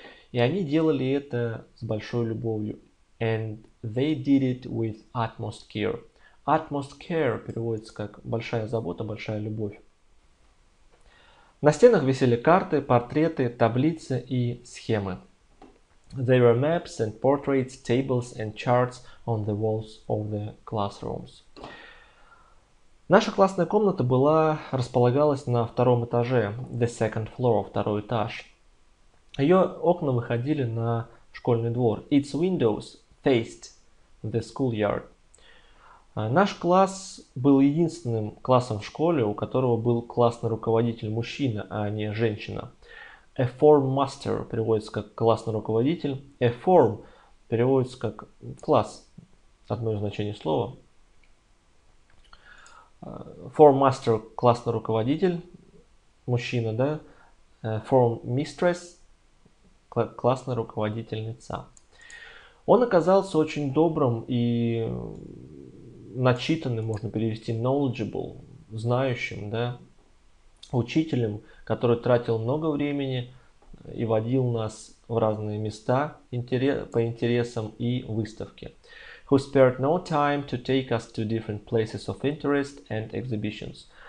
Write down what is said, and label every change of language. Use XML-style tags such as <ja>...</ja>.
<ru>И они делали это с большой любовью.</ru> <en>And they did it with utmost care. Utmost care</en> <ru>переводится как большая забота, большая любовь. На стенах висели карты, портреты, таблицы и схемы.</ru> <en>There were maps and portraits, tables and charts on the walls of the classrooms.</en> <ru>Наша классная комната была располагалась на втором этаже,</ru> <en>the second floor,</en> <ru>второй этаж. Ее окна выходили на школьный двор.</ru> <en>Its windows faced the schoolyard.</en> <ru>Наш класс был единственным классом в школе, у которого был классный руководитель мужчина, а не женщина.</ru> <en>A form master</en> <ru>переводится как классный руководитель.</ru> <en>A form</en> <ru>переводится как класс. Одно из значений слова.</ru> <en>Form master</en> <ru>– классный руководитель. Мужчина, да?</ru> <en>Form mistress</en> <ru>– классная руководительница. Он оказался очень добрым и начитанным, можно перевести knowledgeable, знающим, да? Учителем, который тратил много времени и водил нас в разные места по интересам и выставке.</ru> <en>Who spared no time to take us to different places of interest and exhibitions.</en>